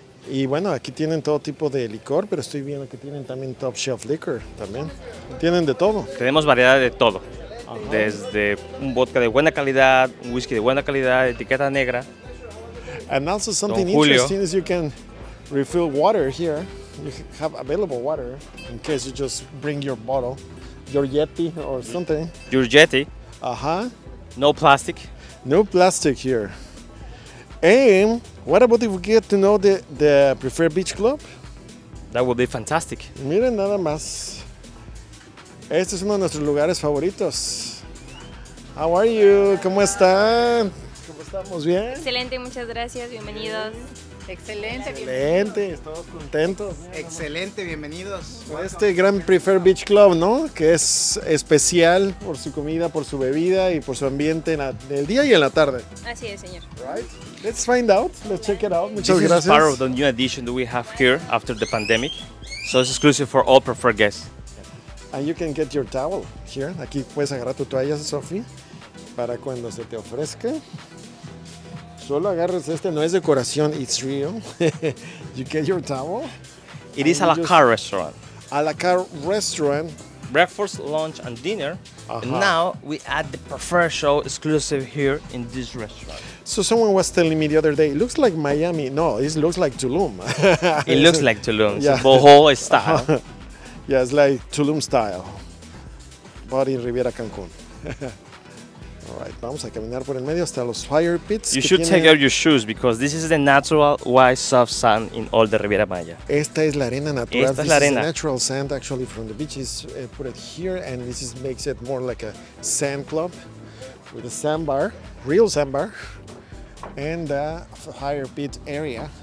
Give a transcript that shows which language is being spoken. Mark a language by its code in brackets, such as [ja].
[es] Y bueno, aquí tienen todo tipo de licor, pero estoy viendo que tienen también top shelf liquor también. Tienen de todo. Tenemos variedad de todo. Desde un vodka de buena calidad, un whisky de buena calidad, etiqueta negra. [en] And also something interesting is you can refill water here. You have available water in case you just bring your bottle, your Yeti or something. Your Yeti. Uh-huh. No plastic. No plastic here. And what about if we get to know the preferred beach club? That would be fantastic. [es] Miren nada más. Este es uno de nuestros lugares favoritos. [en] How are you? [es] ¿Cómo están? ¿Cómo estamos? ¿Bien? Excelente, muchas gracias. Bienvenidos. Excelente, bienvenidos. Excelente, todos contentos. Excelente, bienvenidos. Este gran Preferred Beach Club, ¿no? Que es especial por su comida, por su bebida y por su ambiente en el día y en la tarde. Así es, señor. [en] Right? Let's find out. Let's check it out. [es] Muchas [en] This [es] gracias. [en] This is part of the new addition that we have here after the pandemic. So it's exclusive for all preferred guests. And you can get your towel here. [es] Aquí puedes agarrar tu toalla, Sophie, para cuando se te ofrezca. Solo agarres este, no es decoración, [en] it's real. You get your towel. It is a la carte restaurant. A la carte restaurant. Breakfast, lunch, and dinner. Uh-huh. And now we add the preferred show exclusive here in this restaurant. So someone was telling me the other day, it looks like Miami. No, it looks like Tulum. It looks like Tulum. Yeah. It's boho style. Uh-huh. Yeah, it's like Tulum style, but in Riviera Cancun. [es] All right, vamos a caminar por el medio hasta los fire pits. [en] You should take out your shoes because this is the natural white soft sand in all the Riviera Maya. [es] Esta es la arena natural. Esta es la arena. [en] This is natural sand actually from the beaches. Put it here and this is, makes it more like a sand club with a sandbar, real sandbar, and a fire pit area.